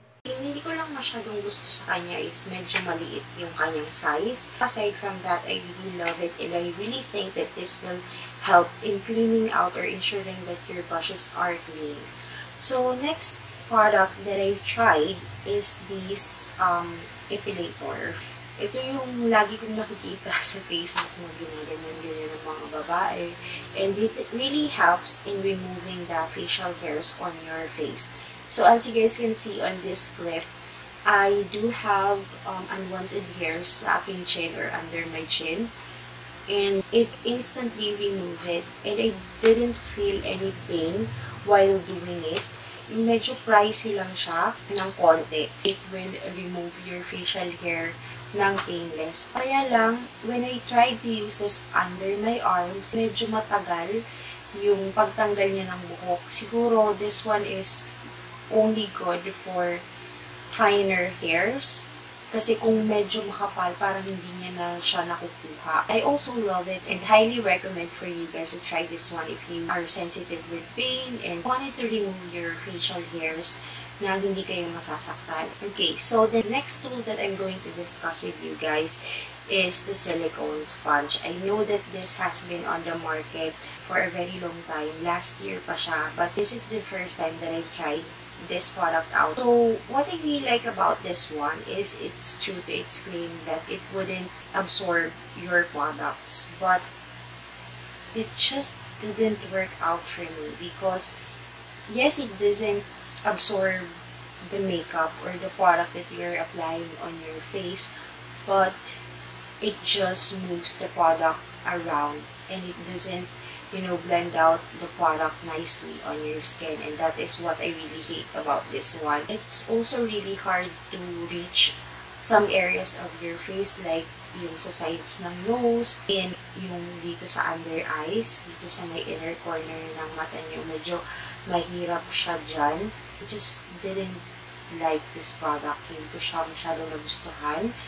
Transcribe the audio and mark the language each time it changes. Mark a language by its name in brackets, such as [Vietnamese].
[Filipino] Yung hindi ko lang masyadong gusto sa kanya is medyo maliit yung kanyang size. [English] Aside from that, I really love it and I really think that this will help in cleaning out or ensuring that your brushes are clean. So, next product that I've tried is this epilator. [Filipino] Ito yung lagi kong nakikita sa Facebook mo, ganyan ng mga babae. [English] And it really helps in removing the facial hairs on your face. So as you guys can see on this clip, I do have unwanted hairs [Filipino] sa aking [English] chin or under my chin. And it instantly removed it. And I didn't feel any pain while doing it. [Filipino] Medyo pricey lang siya ng konti. [English] It will remove your facial hair ng painless. [Filipino] Kaya lang, [English] when I tried to use this under my arms, [Filipino] medyo matagal yung pagtanggal niya ng buhok. [English] Siguro, this one is only good for finer hairs. [Filipino] Kasi kung medyo makapal, parang hindi niya na siya nakukuha. [English] I also love it and highly recommend for you guys to try this one if you are sensitive with pain and wanted to remove your facial hairs [Filipino] na hindi kayo masasaktan. [English] Okay, so the next tool that I'm going to discuss with you guys is the silicone sponge. I know that this has been on the market for a very long time. Last year [Filipino] pa siya, [English] but this is the first time that I've tried this product out. So, what I really like about this one is it's true to its claim that it wouldn't absorb your products, but it just didn't work out for me because, yes, it doesn't absorb the makeup or the product that you're applying on your face, but it just moves the product around and it doesn't, you know, blend out the product nicely on your skin, and that is what I really hate about this one. It's also really hard to reach some areas of your face, like [Filipino] yung sa sides ng nose, and yung dito sa under eyes, dito sa may inner corner ng mata nyo, medyo mahirap siya dyan. [English] I just didn't like this product. [Filipino] Hindi ko siya masyadong nagustuhan.